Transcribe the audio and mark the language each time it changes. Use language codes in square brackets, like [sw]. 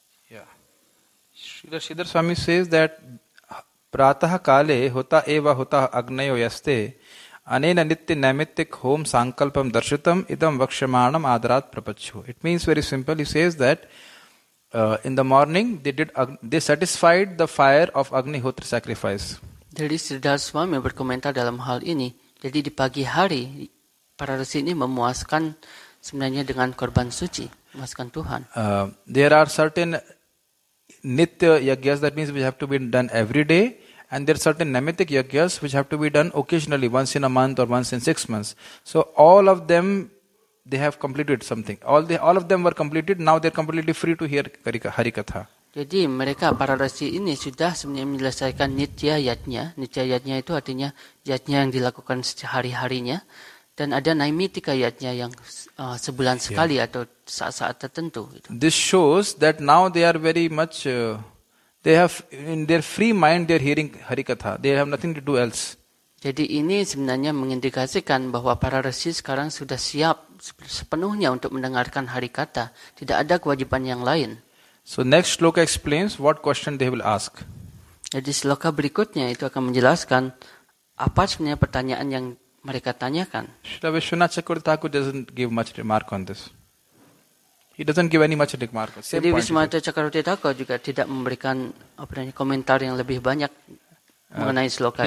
[en] Yeah. Srila Sridhar Swami says that [sa] pratah kale huta eva huta agnayo yaste anena nitya naimittik hom sankalpam darshitam idam vakshamanam adarat prapachhu. [en] It means very simple. He says that in the morning they satisfied the fire of agnihotra sacrifice. [id] Jadi Sridhar Swami berkomentar dalam hal ini. Jadi di pagi hari para resi ini memuaskan sebenarnya dengan korban suci, memuaskan Tuhan. [en] There are certain nitya yagyas, that means which have to be done every day. And there are certain namitic yagyas which have to be done occasionally, once in a month or once in 6 months. So all of them, they have completed something. All of them were completed. Now they are completely free to hear Harikatha. [id] Jadi mereka para resi ini sudah menyelesaikan nitya yajna. Nitya yajna itu artinya yajna yang dilakukan sehari-harinya. Dan ada naimitika yajna yang sebulan sekali atau saat-saat tertentu. [en] This shows that now they are very much... They have in their free mind they are hearing Harikatha. They have nothing to do else. [id] Jadi ini sebenarnya mengindikasikan bahwa para resi sekarang sudah siap sepenuhnya untuk mendengarkan Harikatha. Tidak ada kewajiban yang lain. [en] So next shloka explains what question they will ask. [id] Jadi shloka berikutnya itu akan menjelaskan apa sebenarnya pertanyaan yang mereka tanyakan. [en] Srila Vishwanath Chakravarti Thakur doesn't give much remark on this. He doesn't give any much remark. [id] Jadi Vishwanatha Chakravarti Thakur juga tidak memberikan apa komentar yang lebih banyak mengenai sloka